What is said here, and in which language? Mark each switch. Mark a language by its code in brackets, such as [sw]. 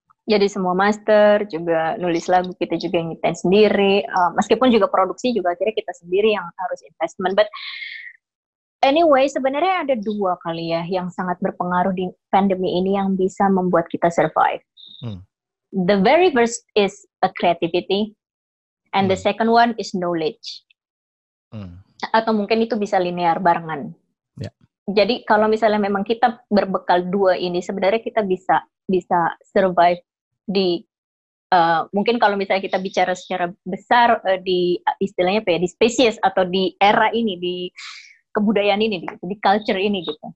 [id] Jadi semua master, juga nulis lagu kita juga yang nyiptain sendiri. Meskipun juga produksi juga akhirnya kita sendiri yang harus investment. [en] But anyway, [id] sebenarnya ada dua kali ya yang sangat berpengaruh di pandemi ini yang bisa membuat kita survive. [en] The very first is a creativity. And the second one is knowledge. [id] Atau mungkin itu bisa linear barengan. Jadi kalau misalnya memang kita berbekal dua ini, sebenarnya kita bisa survive di mungkin kalau misalnya kita bicara secara besar di istilahnya apa ya, di species atau di era ini, di kebudayaan ini, di culture ini gitu.